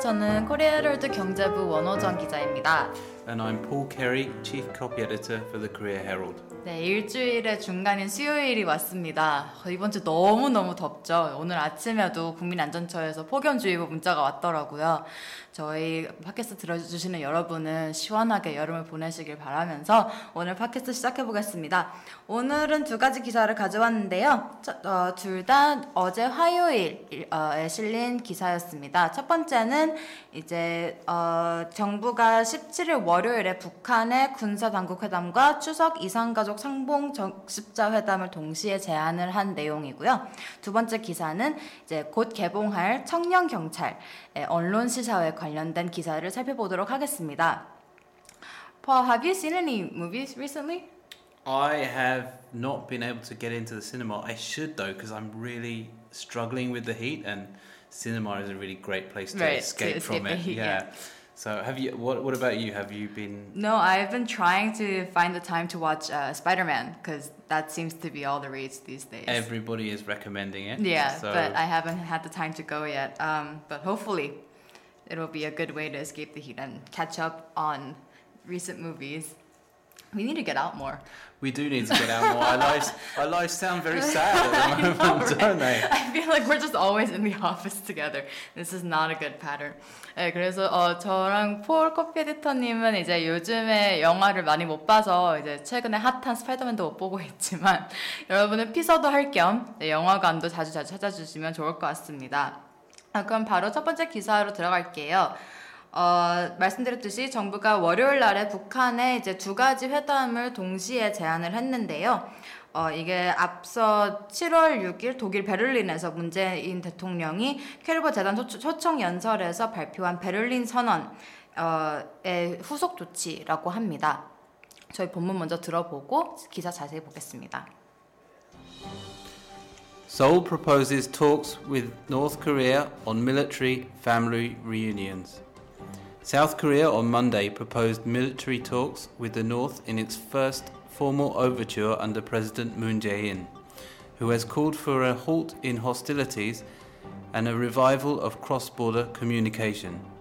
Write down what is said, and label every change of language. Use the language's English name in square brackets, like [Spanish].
[Korean] 저는 코리아 헤럴드 경제부 원호정 기자입니다. [English] And I'm Paul Carey, chief copy editor for the Korea Herald. [Korean] 네, 일주일의 중간인 수요일이 왔습니다. 이번 주 너무너무 덥죠. 오늘 아침에도 국민안전처에서 폭염주의보 문자가 왔더라고요. 저희 팟캐스트 들어주시는 여러분은 시원하게 여름을 보내시길 바라면서 오늘 팟캐스트 시작해보겠습니다. 오늘은 두 가지 기사를 가져왔는데요. 둘 다 어제 화요일에 실린 기사였습니다. 첫 번째는 이제 정부가 17일 월요일에 북한의 군사당국회담과 추석 이상가족 상봉 적십자회담을 동시에 제안을 한 내용이고요. 두 번째 기사는 이제 곧 개봉할 청년경찰의 언론 시사와 관련된 기사를 살펴보도록 하겠습니다. [English] Paul, have you seen any movies recently? I have not been able to get into the cinema. I should though, because I'm really struggling with the heat, and cinema is a really great place to escape from it. Yeah. So have you, what about you? Have you been... No, I've been trying to find the time to watch Spider-Man, because that seems to be all the rage these days. Everybody is recommending it. Yeah, so... but I haven't had the time to go yet. But hopefully it'll be a good way to escape the heat and catch up on recent movies. We need to get out more. We do need to get out more. our lives sound very sad at the moment, I know, don't they? I feel like we're just always in the office together. This is not a good pattern. [Korean] 네, 그래서 저랑 폴 커피 에디터님은 이제 요즘에 영화를 많이 못 봐서 이제 최근에 핫한 스파이더맨도 못 보고 있지만 여러분은 피서도 할 겸 영화관도 자주 찾아주시면 좋을 것 같습니다. 아, 그럼 바로 첫 번째 기사로 들어갈게요. 말씀드렸듯이 정부가 월요일 날에 북한에 이제 두 가지 회담을 동시에 제안을 했는데요. 이게 앞서 7월 6일 독일 베를린에서 문재인 대통령이 쾌르버 재단 초청 연설에서 발표한 베를린 선언의 후속 조치라고 합니다. 저희 본문 먼저 들어보고 기사 자세히 보겠습니다. [English] Seoul proposes talks with North Korea on military family reunions. South Korea on Monday proposed military talks with the North in its first formal overture under President Moon Jae-in, who has called for a halt in hostilities and a revival of cross-border communication.